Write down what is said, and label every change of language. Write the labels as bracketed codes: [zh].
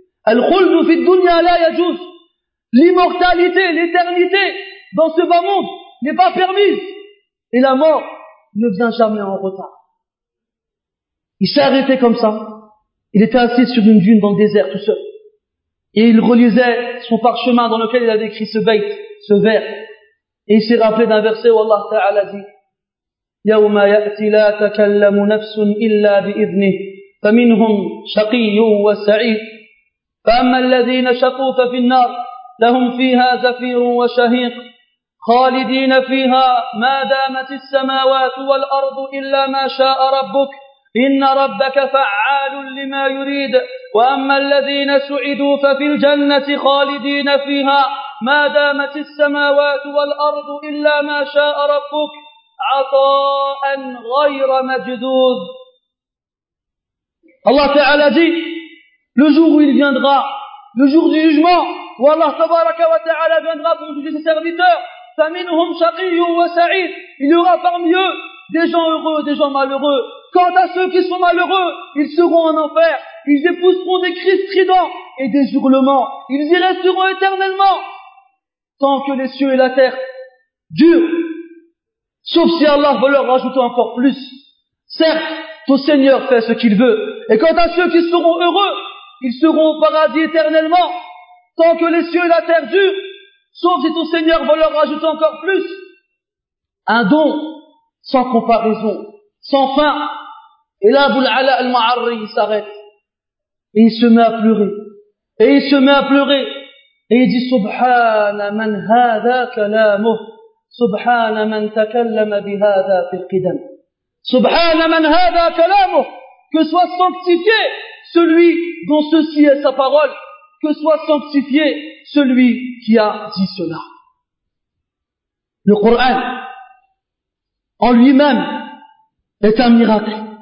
[ar] Al-khuld fi dunya la yajuz. [fr] L'immortalité, l'éternité dans ce bas monde n'est pas permise. Et la mort ne vient jamais en retard. Il s'est arrêté comme ça. Il était assis sur une dune dans le désert tout seul. Et il relisait son parchemin dans lequel il avait écrit ce bait, ce vers. Et il s'est rappelé d'un verset où Allah Ta'ala dit, [ar] يوم يأتي لا تكلم نفس إلا بإذنه فمنهم شقي وسعيد فأما الذين شقوا ففي النار لهم فيها زفير وشهيق خالدين فيها ما دامت السماوات والأرض إلا ما شاء ربك إن ربك فعال لما يريد وأما الذين سعدوا ففي الجنة خالدين فيها ما دامت السماوات والأرض إلا ما شاء ربك عطاء غير مجدود. [fr] Allah Ta'ala dit, le jour où il viendra, le jour du jugement, où Allah Tabaraka wa Ta'ala viendra pour juger ses serviteurs, [ar] فَمِنْهُمْ شَقِيُّ وَسَعِيدُ. [fr] Il y aura parmi eux des gens heureux, des gens malheureux. Quant à ceux qui sont malheureux, ils seront en enfer, ils épouseront des cris stridents et des hurlements, ils y resteront éternellement, tant que les cieux et la terre durent. Sauf si Allah veut leur rajouter encore plus. Certes, ton Seigneur fait ce qu'il veut. Et quant à ceux qui seront heureux, ils seront au paradis éternellement, tant que les cieux et la terre durent. Sauf si ton Seigneur veut leur rajouter encore plus. Un don sans comparaison, sans fin. Et là, Abul Ala al-Ma'arri, il s'arrête. Et il se met à pleurer. Et il se met à pleurer. Et il dit, [ar] Subhana man hadha kalamuh. سبحان من تكلم بهذا في القدم سبحان من هذا كلامه. [fr] Que soit sanctifié celui dont ceci est sa parole, que soit sanctifié celui qui a dit cela. Le Coran en lui-même est un miracle.